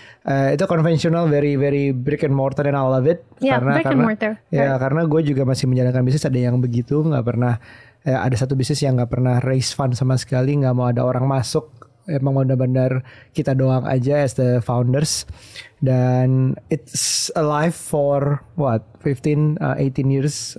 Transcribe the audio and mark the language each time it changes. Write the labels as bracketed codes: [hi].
[id] Itu konvensional, [en] very very brick and mortar and I love it. [id] Karena gue juga masih menjalankan bisnis, ada yang begitu nggak pernah, ada satu bisnis yang nggak pernah raise fund sama sekali, nggak mau ada orang masuk, emang benar-benar kita doang aja [en] as the founders. [id] Dan [en] it's alive for what 15-18 years.